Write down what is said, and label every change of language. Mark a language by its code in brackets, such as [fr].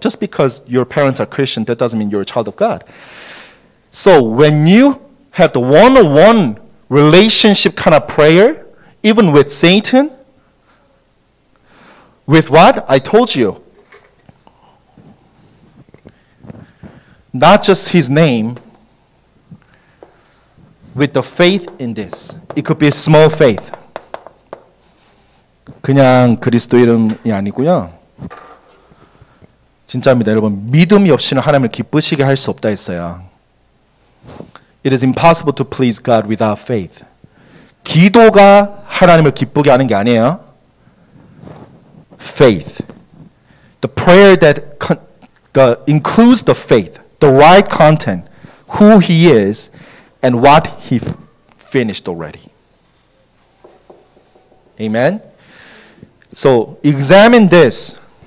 [en] Just because your parents are Christian, that doesn't mean you're a child of God. So when you have the one-on-one relationship kind of prayer, even with Satan, with what? I told you. Not just his name, with the faith in this. It could be a small faith. [ko] 그냥 그리스도 이름이 아니고요. 진짜입니다. 여러분, 믿음이 없이는 하나님을 기쁘시게 할 수 없다 했어요. [en] It is impossible to please God without faith. [ko] 기도가 하나님을 기쁘게 하는 게 아니에요. [en] Faith. The prayer that includes the faith, the right content, who he is, and what he finished already. Amen? So, examine this.